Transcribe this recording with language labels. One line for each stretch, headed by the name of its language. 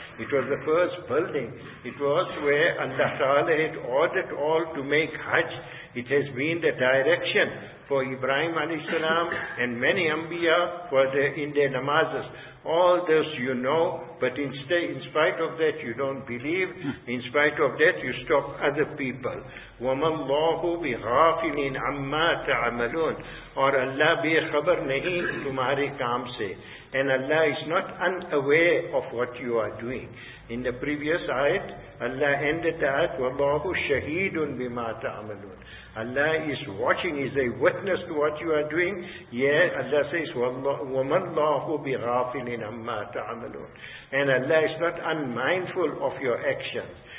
English: It was the first building. It was where Allah Ta'ala had ordered all to make Hajj. It has been the direction for Ibrahim alayhi salam and many Anbiya in their namazes. All this you know, but in spite of that you don't believe. In spite of that you stop other people.
Arabic: وَمَا اللَّهُ بِغَافِلٍ عَمَّا تَعْمَلُونَ,
Urdu: اور اللہ بے خبر نہیں تمہارے کام سے.
English: And Allah is not unaware of what you are doing. In the previous ayat, Allah ended that,
Arabic: وَاللَّهُ شَهِيدٌ بِمَا تَعْمَلُونَ,
English: Allah is watching, is a witness to what you are doing. Yes, Allah says,
Arabic: وَمَا اللَّهُ بِغَافِلٍ عَمَّا تَعْمَلُونَ,
English: and Allah is not unmindful of your actions.